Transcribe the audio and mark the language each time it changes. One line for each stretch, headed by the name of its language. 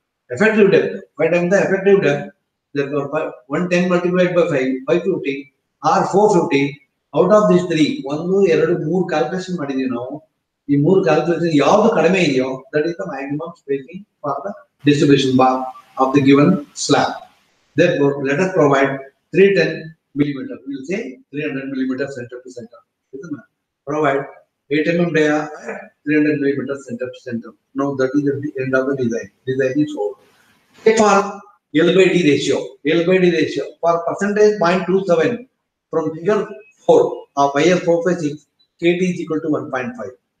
English: effective depth, 5 times the effective depth therefore 110 multiplied by 5 550 or 450 out of these three 1 2 3 calculation
Kannada: madidivi
English: now.
Kannada: ಈ ಮೂರು calculation ಯಾವ್ದು ಕಡಿಮೆ ಇದೆಯೋ
English: That is the maximum spacing for the distribution bar of the given slab. Therefore let us provide 310 millimeters, will say 300 millimeters centre to centre. Provide 8 mm dia 300 millimeters centre to centre. Now that is the end of the design. Design is over. For L/D ratio, L/D ratio for percentage 0.27 from figure 4 of IS-456 KT is equal to 1.5.